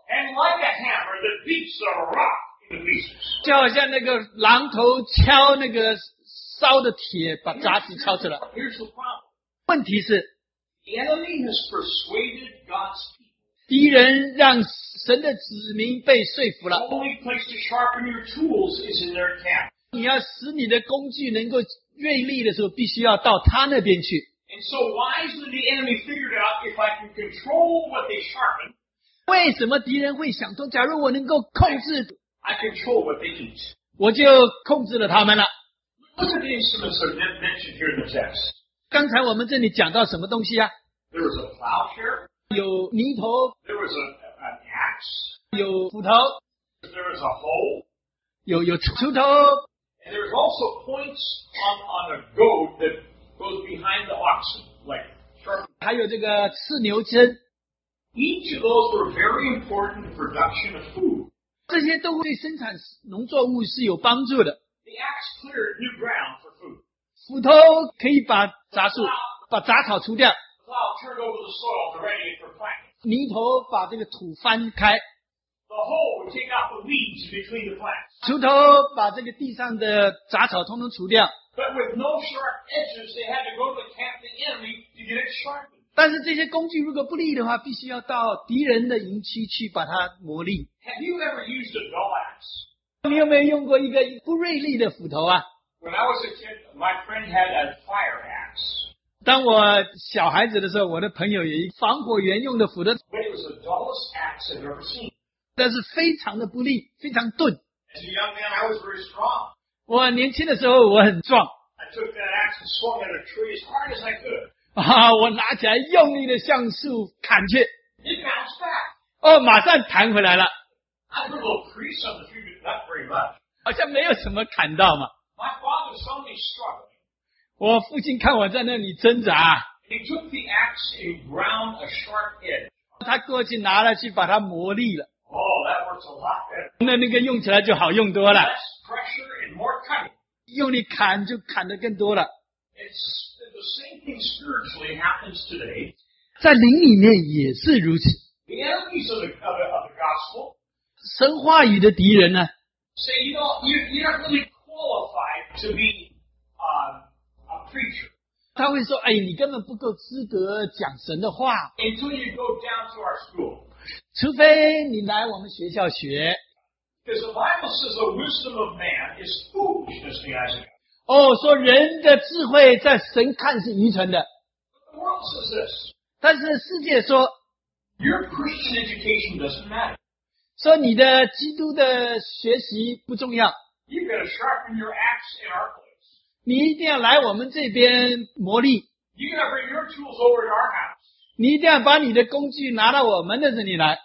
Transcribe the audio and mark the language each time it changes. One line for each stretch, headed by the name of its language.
English: And like a hammer that beats a rock into pieces.
Chinese: 就好像那个榔头敲那个烧的铁把杂质敲出来。
English: Here's the problem.
Chinese: 问题是,
English: the enemy has persuaded God's people.
Chinese: 敌人让神的子民被说服了。
English: Only place to sharpen your tools is in their camp.
Chinese: 你要使你的工具能够锐利的时候，必须要到他那边去。
English: And so wisely the enemy figured out, if I can control what they sharpen,
Chinese: 为什么敌人会想通？假如我能够控制，
English: I control what they eat,
Chinese: 我就控制了他们了。
English: Look at the instruments that are mentioned here in the text.
Chinese: 刚才我们这里讲到什么东西啊？
English: There was a plowshare.
Chinese: 有泥头,
English: there was an axe,
Chinese: 有斧头,
English: there was a hoe,
Chinese: 有锄头。
English: And there's also points on a goad that goes behind the oxen, like sharp.
Chinese: 还有这个刺牛针。
English: Each of those were very important for production of food.
Chinese: 这些都会生产农作物是有帮助的。
English: The axe cleared new ground for food.
Chinese: 斧头可以把杂草除掉。
English: The plow turned over the soil to ready it for planting.
Chinese: 犁头把这个土翻开。
English: The hoe would take out the weeds between the plants.
Chinese: 锄头把这个地上的杂草统统除掉。
English: But with no sharp edges, they had to go to the camp of the enemy to get it sharpened.
Chinese: 但是这些工具如果不利的话, 必须要到敌人的营区去把它磨砺。
English: Have you ever used a dull axe?
Chinese: 你有没有用过一个不锐利的斧头啊?
English: When I was a kid, my friend had a fire axe.
Chinese: 当我小孩子的时候, 我的朋友有一个防火员用的斧头。
English: But it was the dullest axe I've ever seen.
Chinese: 但是非常的不利, 非常钝。
English: As a young man, I was very strong.
Chinese: 我年轻的时候我很壮。
English: I took that axe and swung at a tree as hard as I could.
Chinese: 我拿起来用力的向树砍去。
English: It bounced back.
Chinese: 马上弹回来了。
English: I put a little crease on the tree, but not very much.
Chinese: 好像没有什么砍到嘛。
English: My father saw me struggling.
Chinese: 我父亲看我在那里挣扎。
English: He took the axe and ground a sharp edge.
Chinese: 他过去拿了去把它磨砺了。
English: Oh, that works a lot better.
Chinese: 那个用起来就好用多了。
English: Less pressure and more cutting.
Chinese: 用力砍就砍得更多了。
English: It's the same thing spiritually happens today.
Chinese: 在灵里面也是如此。
English: The enemies of the gospel.
Chinese: 神话语的敌人呢?
English: Say, you're not really qualified to be a preacher.
Chinese: 他会说, 你根本不够资格讲神的话。
English: Until you go down to our school.
Chinese: 除非你来我们学校学。
English: Because the Bible says the wisdom of man is foolishness in the eyes of God.
Chinese: 说人的智慧在神看是愚蠢的。
English: The world says this.
Chinese: 但是世界说,
English: Your Christian education doesn't matter.
Chinese: 说你的基督的学习不重要。
English: You've got to sharpen your axe in our place.
Chinese: 你一定要来我们这边磨砺。
English: You've got to bring your tools over to our house.
Chinese: 你一定要把你的工具拿到我们的这里来。